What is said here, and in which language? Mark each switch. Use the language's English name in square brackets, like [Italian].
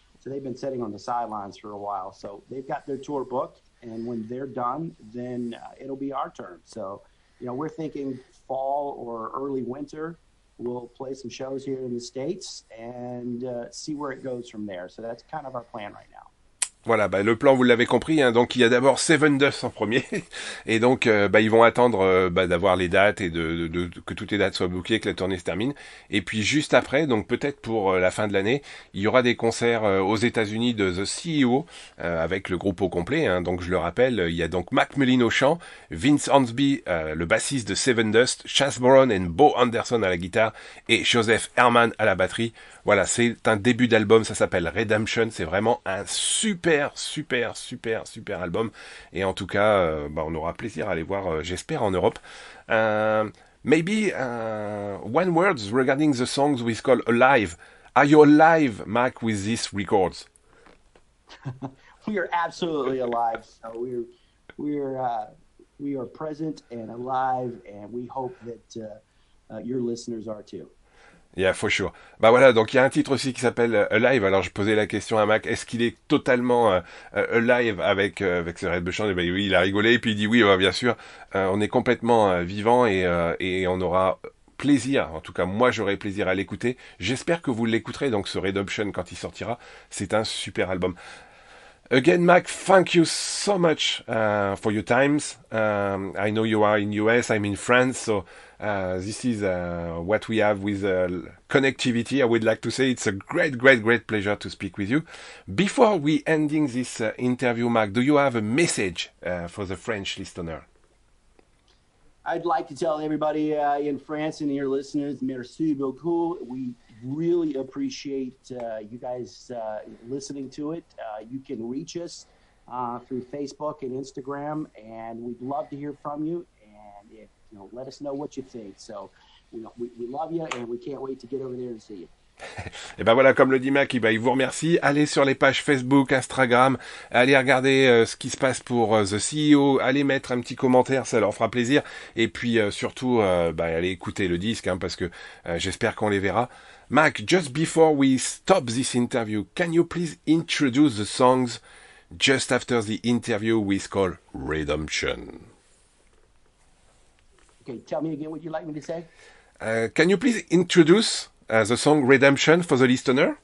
[English] So they've been sitting on the sidelines for a while. So they've got their tour booked. And when they're done, then it'll be our turn. So, you know, we're thinking fall or early winter, we'll play some shows here in the States and see where it goes from there. So that's kind of our plan right now. [French] Voilà, bah, le plan, vous l'avez compris, hein, donc il y a d'abord Seven Dust en premier, et donc bah, ils vont attendre d'avoir les dates et de que toutes les dates soient bookées, que la tournée se termine, et puis juste après, donc peut-être pour la fin de l'année, il y aura des concerts aux États-Unis de The CEO, avec le groupe au complet, hein, donc je le rappelle, il y a donc Mac Mullin au chant, Vince Hornsby, le bassiste de Seven Dust, Chas Brown et Bo Anderson à la guitare, et Joseph Herman à la batterie. Voilà, c'est un début d'album, ça s'appelle Redemption, c'est vraiment un super, super, super, super album. Et en tout cas, bah, on aura plaisir à aller voir, j'espère, en Europe. [English] Maybe one word regarding the songs we call Alive. Are you alive, Mac, with these records? We are absolutely alive. So we are present and alive, and we hope that your listeners are too. Yeah, for sure. [French] Bah voilà, donc il y a un titre aussi qui s'appelle Alive. Alors je posais la question à Mac, est-ce qu'il est totalement alive avec ce Redemption? Et ben oui, il a rigolé et puis il dit oui, bah, bien sûr, on est complètement vivant et on aura plaisir. En tout cas, moi j'aurai plaisir à l'écouter. J'espère que vous l'écouterez, donc ce Redemption quand il sortira, c'est un super album. [English] Again, Mac, thank you so much for your times. I know you are in US, I'm in France, so this is what we have with connectivity. I would like to say it's a great, great, great pleasure to speak with you. Before we ending this interview, Mac, do you have a message for the French listener? I'd like to tell everybody in France and your listeners, [French] merci beaucoup. [English] We really appreciate you guys listening to it. You can reach us through Facebook and Instagram, and we'd love to hear from you. And if, you know, let us know what you think. So, you know, we love you, and we can't wait to get over there and see you. [French] Et ben voilà, comme le dit Mac, il vous remercie. Allez sur les pages Facebook, Instagram, allez regarder ce qui se passe pour The CEO, allez mettre un petit commentaire, ça leur fera plaisir. Et puis surtout, allez écouter le disque, hein, parce que j'espère qu'on les verra. [English] Mac, just before we stop this interview, can you please introduce the songs just after the interview with called Redemption? Okay, tell me again what you'd like me to say. Can you please introduce the song Redemption for the listener?